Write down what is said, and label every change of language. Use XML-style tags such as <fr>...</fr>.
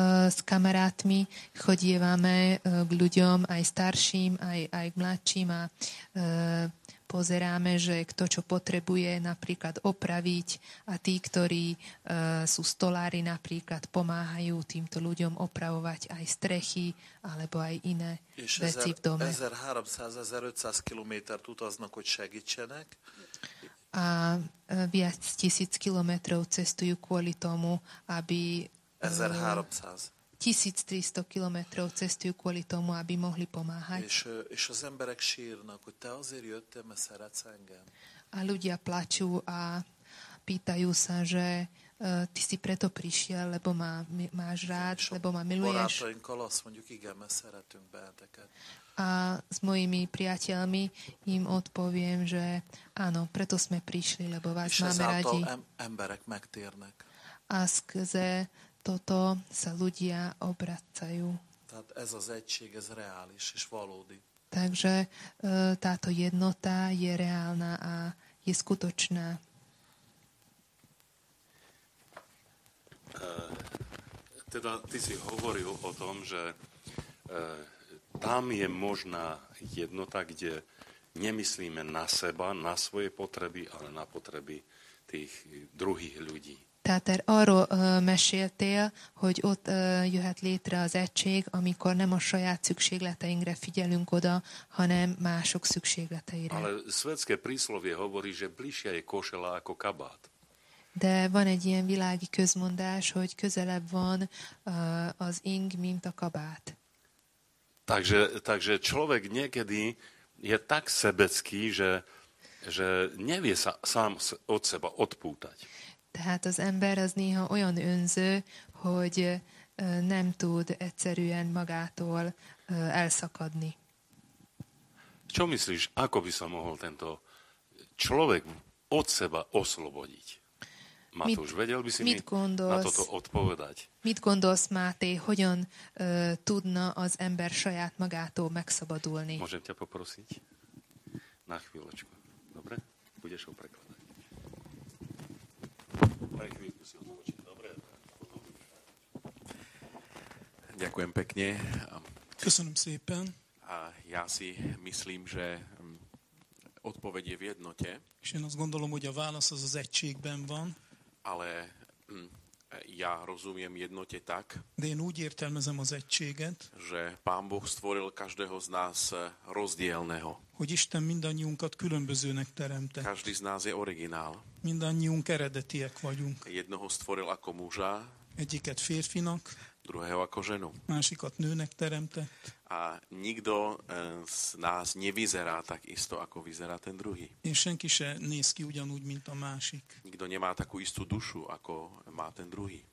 <sk>S kamarátmi chodívame k ľuďom, aj starším, aj k mladším, a pozeráme, že kto čo potrebuje napríklad opraviť, a tí, ktorí sú stolári napríklad, pomáhajú týmto ľuďom opravovať aj strechy alebo aj iné veci v dome.</sk> <hu>1300-1500 kilométert utaznak, hogy segítsenek.</hu> <sk>A viac 1000 kilométrov cestujú kvôli tomu, aby 1300 kilométrov cestujú kvôli tomu, aby mohli pomáhať.</sk> <hu>És az emberek sírnak, hogy te azért jöttél, mert szeretsz engem.</hu> <sk>A ľudia plačú a pýtajú sa, že ty si preto prišiel, lebo ma máš rád, lebo ma miluješ.</sk> <hu>Barátainkkal azt mondjuk, igen, mert szeretünk benneteket.</hu> <sk>A s mojimi priateľmi im odpoviem, že áno, preto sme prišli, lebo vás máme radi.</sk> <hu>És ezáltal emberek megtérnek.</hu> <sk>A skrze toto sa ľudia obracajú.</sk> <hu>Tehát ez az egység, ez reális és valódi.</hu> <sk>Takže táto jednota je reálna a je skutočná. Teda ty si hovoril o tom, že tam je možná jednota, kde nemyslíme na seba, na svoje potreby, ale na potreby tých druhých ľudí.</sk> <hu>Tehát arról meséltél, hogy ott jöhet létre az egység, amikor nem a saját szükségleteinkre figyelünk oda, hanem mások szükségleteire.</hu> <sk>Ale svetské príslovie hovorí, že bližšia je košela ako kabát.</sk> <hu>De van egy ilyen világi közmondás, hogy közelebb van az ing, mint a kabát.</hu> <sk>Takže človek niekedy je tak sebecký, že nevie sa sám od seba odpútať.</sk> <hu>Tehát az ember az néha olyan önző, hogy nem tud egyszerűen magától elszakadni.</hu> <sk>Čo myslíš, ako by sa mohol tento človek od seba oslobodiť? Matúš, vedel by si mi</sk> <hu>gondolsz,</hu> <sk>na toto odpovedať?</sk> <hu>Mit gondolsz, Máté, hogyan tudna az ember saját magától megszabadulni?</hu> <sk>Môžem ťa poprosiť? Na chvíľočku. Dobre? Budeš ho prekladať. Na chvíľku si odpočiť. Dobre? Ďakujem pekne.</sk> <hu>Köszönöm szépen.</hu> <sk>A ja si myslím, že odpoveď je v jednote.</sk> <hu>És én azt gondolom, hogy a válasz az az egységben van.</hu> <sk>Ale ja rozumiem jednote tak,</sk> <hu>de én úgy értelmezem az egységet,</hu> <sk>že Pán Boh stvoril každého z nás rozdielného.</sk> <hu>Hogy Isten mindannyiunkat különbözőnek teremtett.</hu> <sk>Každý z nás je originál.</sk> <hu>Mindannyiunk eredetiek vagyunk.</hu> <sk>Jednoho stvoril ako muža,</sk> <hu>egyiket férfinak,</hu> <sk>druhého ako ženu.</sk> <hu>Másikat nőnek teremtett.</hu> <sk>A nikto z nás nevyzerá tak isto, ako vyzerá ten druhý.</sk> <hu>Én senki se néz ki ugyanúgy, mint a másik.</hu> <sk>Nikto nemá takú istú dušu, ako má ten druhý.</sk>